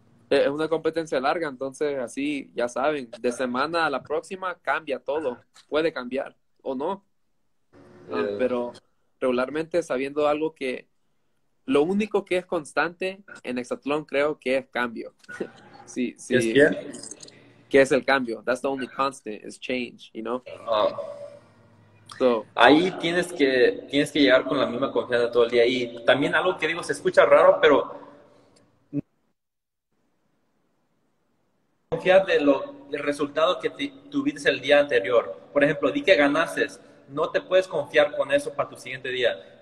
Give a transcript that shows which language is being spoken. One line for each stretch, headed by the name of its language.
Spanish: Es una competencia larga, entonces así, ya saben, de semana a la próxima cambia todo, puede cambiar o no. Pero regularmente sabiendo algo que lo único que es constante en hexatlón creo que es cambio. Sí. ¿Es bien? ¿Qué es el cambio?
English: That's the only constant, is change, you know?
Spanish: So, ahí tienes que llegar con la misma confianza todo el día. Y también algo que digo, se escucha raro, pero confiar de del resultado que tuviste el día anterior. Por ejemplo, di que ganaste, no te puedes confiar con eso para tu siguiente día.